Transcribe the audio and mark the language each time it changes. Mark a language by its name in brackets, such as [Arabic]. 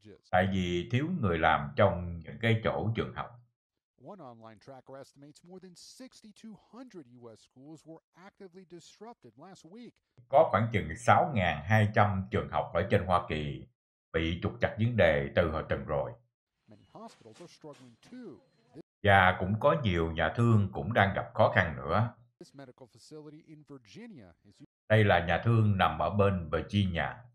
[Vietnamese] Tại vì thiếu người làm trong những cái chỗ trường học. [English] One online tracker estimates more than 6,200 U.S. schools were actively disrupted last week. [Vietnamese] Có khoảng chừng 6,200 trường học ở trên Hoa Kỳ bị trục trặc vấn đề từ hồi tuần rồi. [English] Many hospitals are struggling too. [Vietnamese] Và cũng có nhiều nhà thương cũng đang gặp khó khăn nữa. [English] This medical facility in Virginia is. [Vietnamese] Đây là nhà thương nằm ở bên Virginia.